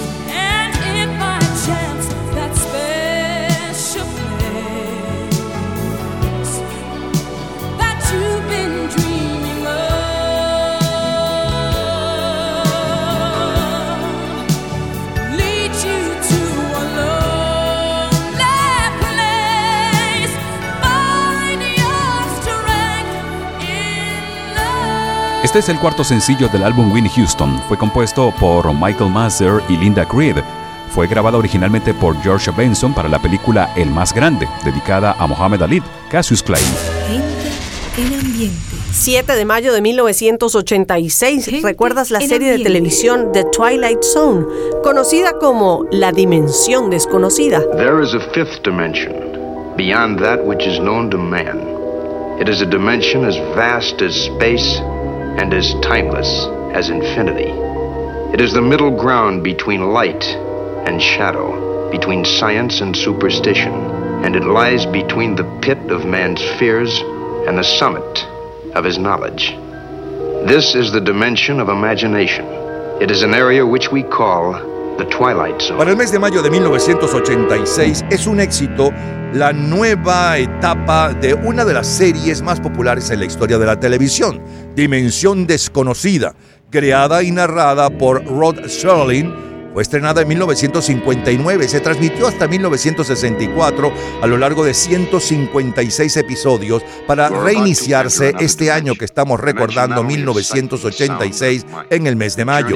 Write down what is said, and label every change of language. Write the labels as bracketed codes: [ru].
[en] And if by chance that special place that you've been dreaming of leads you to a lonely place, find your strength in love. [es] Este es el cuarto sencillo del álbum Whitney Houston. Fue compuesto por Michael Masser y Linda Creed. Fue grabada originalmente por George Benson para la película El Más Grande, dedicada a Muhammad Ali, Cassius Clay. El ambiente. 7 de mayo de 1986, ¿recuerdas la serie de televisión The Twilight Zone, conocida como La Dimensión Desconocida? [en] There is a fifth dimension, beyond that which is known to man. It is a dimension as vast as space and as timeless as infinity. It is the middle ground between light and shadow, between science and superstition, and it lies between the pit of man's fears and the summit of his knowledge. This is the dimension of imagination. It is an area which we call the Twilight Zone. [es] Para el mes de mayo de 1986 es un éxito la nueva etapa de una de las series más populares en la historia de la televisión, Dimensión Desconocida, creada y narrada por Rod Serling. Fue estrenada en 1959, se transmitió hasta 1964 a lo largo de 156 episodios para reiniciarse este año que estamos recordando, 1986, en el mes de mayo.